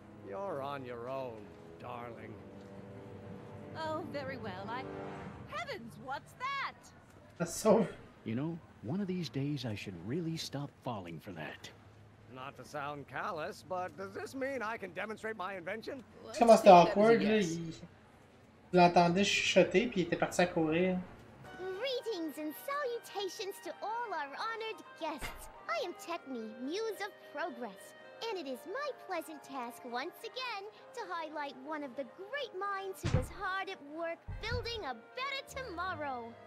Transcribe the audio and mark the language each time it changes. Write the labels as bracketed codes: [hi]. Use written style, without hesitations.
[en] You're on your own, darling. Oh, very well. Heavens, what's that? That's so... You know, one of these days I should really stop falling for that. Not to sound callous, but does this mean I can demonstrate my invention? [fr] Comment c'était awkward, là, il l'entendait chuchoter, puis il était parti à courir. [en] Greetings and salutations to all our honored guests. I am Techni, Muse of Progress, and it is my pleasant task once again to highlight one of the great minds who was hard at work building a better tomorrow.